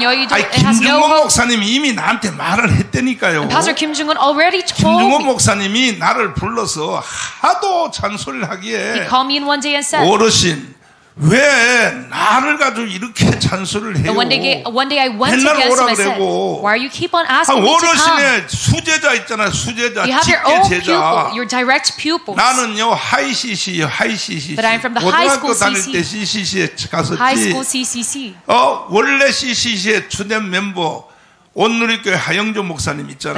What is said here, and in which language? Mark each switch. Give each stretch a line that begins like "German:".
Korean: 아니 김중호 목사님이 이미 나한테 말을 했다니까요. 김중호 목사님이 나를 불러서 하도 잔소리를 하기에 어르신 왜 나를 가지고 이렇게 잔소리를 해요?
English: One day I went to get him and said, "Why are you keep on asking me to come?"
Korean: 어르신의 수제자 있잖아, 수제자, 직계 제자.
English: Your direct pupils.
Korean: 나는요 하이시시요, 하이시시.
English: But I'm from the high school CCC.
Korean: 다닐 때 CCC에 갔었지.
English: High school CCC.
Korean: 어 원래 CCC의 주된 멤버 온누리교회 하영조 목사님 있잖아요.